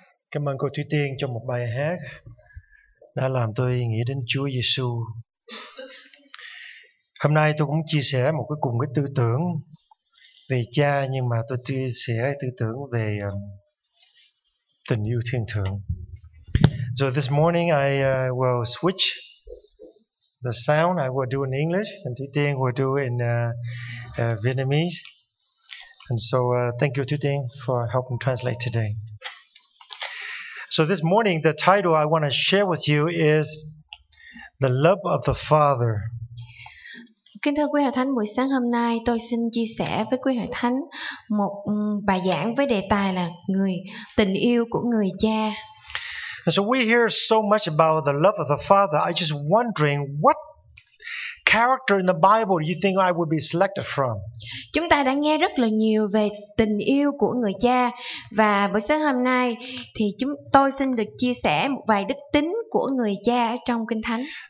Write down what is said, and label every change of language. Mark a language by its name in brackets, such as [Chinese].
[Vietnamese] Cảm ơn cô Thúy Tiên cho một bài hát đã làm tôi nghĩ đến Chúa Giêsu. Hôm nay tôi cũng chia sẻ một cái cùng cái tư tưởng về cha, nhưng mà tôi chia sẻ tư tưởng về tình yêu thiên thượng. [English] So this morning I will switch the sound. I will do in English and Thúy Tiên will do in Vietnamese. And so thank you Thúy Tiên for helping translate today. So this morning, the title I want to share with you is The Love of the Father. [Vietnamese] Kính thưa quý hội thánh, buổi sáng hôm nay tôi xin chia sẻ với quý hội thánh một bài giảng với đề tài là người tình yêu của người cha. [English] And so we hear so much about the love of the father. I just wondering what character in the Bible do you think I would be selected from? [Vietnamese] Chúng ta đã nghe rất là nhiều về tình yêu của người cha, và buổi sáng hôm nay thì chúng tôi xin được chia sẻ một vài đức tính của người cha trong Kinh Thánh.